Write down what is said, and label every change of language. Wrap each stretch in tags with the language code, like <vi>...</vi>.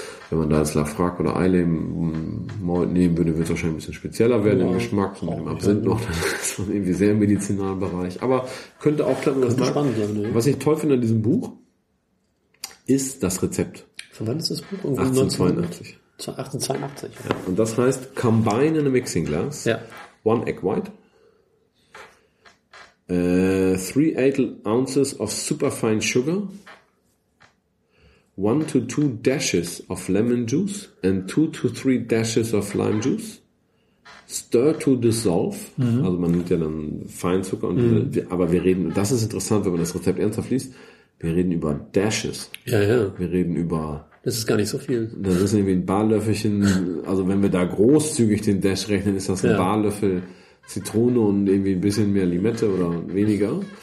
<de>Wenn man da das Lafrak oder Eileen Malt nehmen würde, wird es wahrscheinlich ein bisschen spezieller werden im Geschmack. Mit dem Absinth noch, dann ist man irgendwie sehr im medizinalen Bereich. Aber könnte auch klappen. Könnte das spannend sein, ne? Was ich toll finde an diesem Buch, ist das Rezept. Von wann ist das Buch? 1882. 1882. Ja, und das heißt,</de> <en>combine in a mixing glass,</en> <de>ja,</de> <en>one egg white, 3/8 ounces of super fine sugar, 1 to 2 dashes of lemon juice and 2 to 3 dashes of lime juice. Stir to dissolve.</en> <de>Mhm. Also man nimmt ja dann Feinzucker. Und aber wir reden, das ist interessant, wenn man das Rezept ernsthaft liest, wir reden über Dashes. Ja, ja. Wir reden über... Das ist gar nicht so viel. Das ist irgendwie ein Barlöffelchen. Also wenn wir da großzügig den Dash rechnen, ist das ein Barlöffel Zitrone und irgendwie ein bisschen mehr Limette oder weniger.</de>